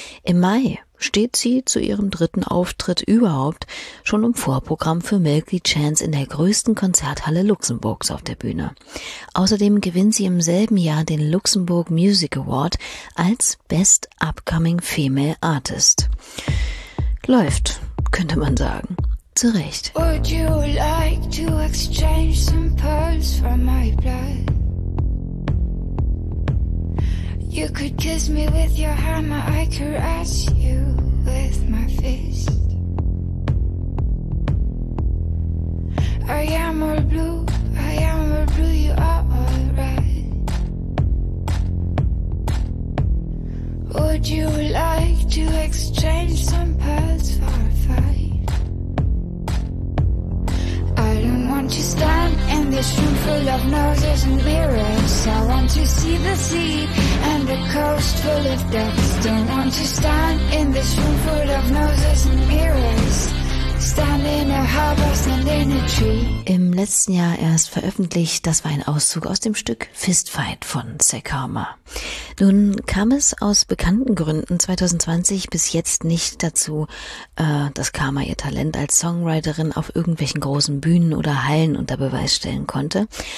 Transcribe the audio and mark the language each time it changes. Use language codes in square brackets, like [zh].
[de] Im Mai steht sie zu ihrem dritten Auftritt überhaupt schon im Vorprogramm für Milky Chance in der größten Konzerthalle Luxemburgs auf der Bühne. Außerdem gewinnt sie im selben Jahr den Luxemburg Music Award als Best Upcoming Female Artist. Läuft, könnte man sagen. Zurecht. [en] Would you like to exchange some pearls from my blood? You could kiss me with your hammer, I caress you with my fist. I am all blue, I am all blue, you are all red. Would you like to exchange some pearls for a fight? I don't want to stand in this room full of noses and mirrors. I want to see the sea and the coast full of dust. Don't want to stand in this room full of noses and mirrors. Stand in a harbor, stand in a tree. [de] Im letzten Jahr erst veröffentlicht, das war ein Auszug aus dem Stück Fistfight von Sekarma. Nun kam es aus bekannten Gründen 2020 bis jetzt nicht dazu, dass Karma ihr Talent als Songwriterin auf irgendwelchen großen Bühnen oder Hallen unter Beweis stellen konnte.